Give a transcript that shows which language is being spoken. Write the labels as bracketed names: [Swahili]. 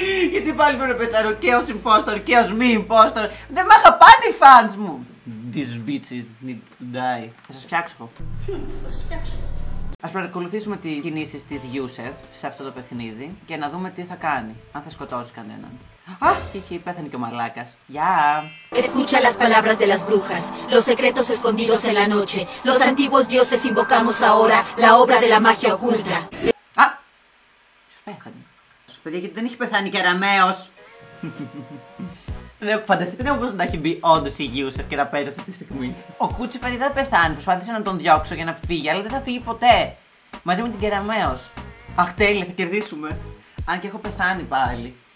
[Greek] Γιατί πάλι πρέπει να πεθάνω και ως impostor και ως μη impostor. Δεν μ' αγαπάνε οι fans μου. [English] These bitches need to die. [Greek] Θα σας φτιάξω. Ας παρακολουθήσουμε τις κινήσεις της Yusuf σε αυτό το παιχνίδι και να δούμε τι θα κάνει. Αν θα σκοτώσει κανέναν. Χιχι, πέθανε και ο μαλάκας. Γεια! [Spanish] Escucha las palabras de las brujas, los secretos escondidos en la noche. Los antiguos dioses invocamos ahora la obra de la magia oculta. [Greek] Α! Ποιος πέθανε? Παιδιά, γιατί δεν έχει πεθάνει και Ραμαίος. Δεν φανταστείτε όμως να έχει μπει όντως η Yusuf και να παίζει αυτή τη στιγμή. Ο Κούτσι παιδί δεν πεθάνει. Προσπάθησε να τον διώξω για να φύγει, αλλά δεν θα φύγει ποτέ. Μαζί με την Κεραμαίος. Αχ, τέλεια, θα κερδίσουμε. Αν και έχω πεθάνει πάλι.